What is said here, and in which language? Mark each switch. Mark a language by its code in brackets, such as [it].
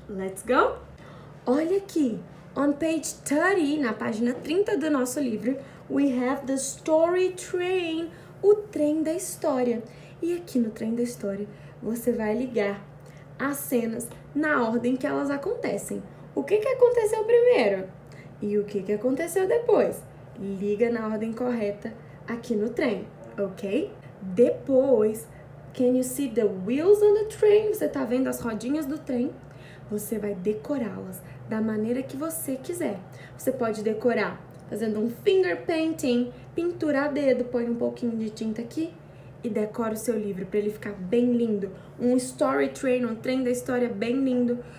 [en] Let's go! [pt] Olha aqui! [en] On page 30, [pt] na página 30 do nosso livro, [en] we have the story train, [pt] o trem da história. E aqui no trem da história, você vai ligar as cenas na ordem que elas acontecem. O que que aconteceu primeiro? E o que que aconteceu depois? Liga na ordem correta aqui no trem, ok? Depois, [en] can you see the wheels on the train? [pt] Você tá vendo as rodinhas do trem? Você vai decorá-las da maneira que você quiser. Você pode decorar fazendo um [en] finger painting, [pt] pintura a dedo, põe um pouquinho de tinta aqui e decora o seu livro para ele ficar bem lindo. Um [en] story train, [pt] um trem da história bem lindo.